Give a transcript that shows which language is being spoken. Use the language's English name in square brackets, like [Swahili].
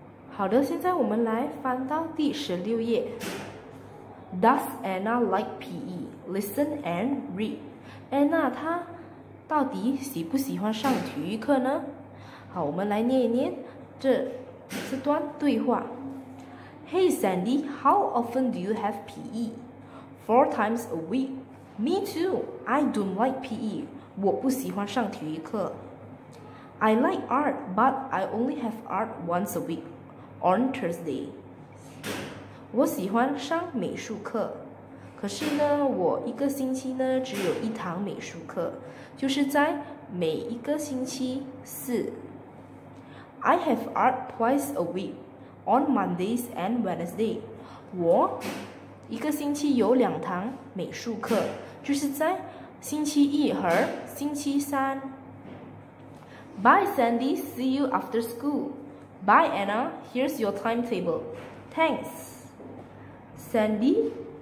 [Chinese] 好的，现在我们来翻到第16页。 [English] Does Anna like PE? Listen and read. [Chinese] Anna 她到底喜不喜欢上体育课呢？好，我们来念一念这段对话。 [English] Hey Sandy, how often do you have PE? 4 times a week. Me too. I don't like PE. [Chinese] 我不喜欢上体育课。 [English] I like art, but I only have art once a week, on Thursday. [Chinese] 我喜欢上美术课，可是呢，我一个星期呢只有一堂美术课，就是在每一个星期四。 [English] I have art twice a week, on Mondays and Wednesday. [Chinese] 我一个星期有两堂美术课，就是在星期一和星期三。 [English] Bye Sandy, see you after school. Bye Anna, here's your timetable. Thanks. Sandy?